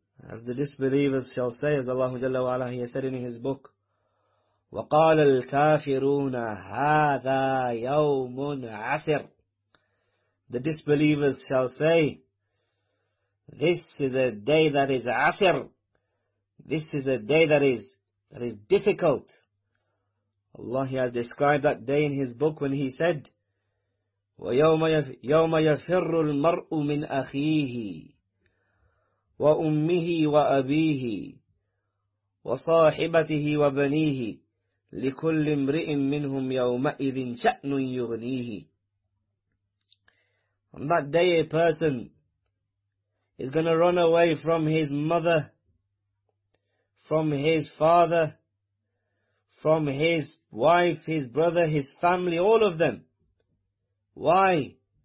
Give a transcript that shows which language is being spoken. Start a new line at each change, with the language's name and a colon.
English: As the disbelievers shall say, as Allah Jalla wa Ala, He has said in His book,
Arabic: وقال الكافرون هذا يوم عسر.
English: The disbelievers shall say, this is a day that is عسر. This is a day that is difficult. Allah has described that day in His book when He said,
Arabic: ويوم يفر المرء من أخيه وأمه وأبيه وصاحبته وبنيه لكل امرئ منهم يومئذ شأن يغنيه.
English: On that day a person is going to run away from his mother, from his father, from his wife, his brother, his family, all of them. Why?